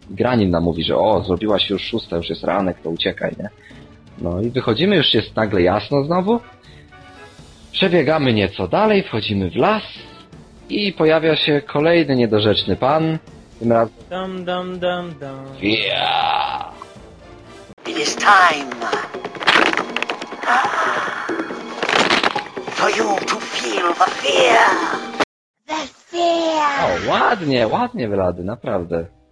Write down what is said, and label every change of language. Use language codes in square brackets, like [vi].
[pl] Granin nam mówi, że o, zrobiła się już szósta, już jest ranek, to uciekaj, nie? No i wychodzimy, już jest nagle jasno znowu. Przebiegamy nieco dalej, wchodzimy w las i pojawia się kolejny niedorzeczny pan. Tym razem... Dum, dum, dum, dum. [en] Yeah! It is time for you to feel the fear. The fear. [pl] O, ładnie, ładnie wylady, naprawdę.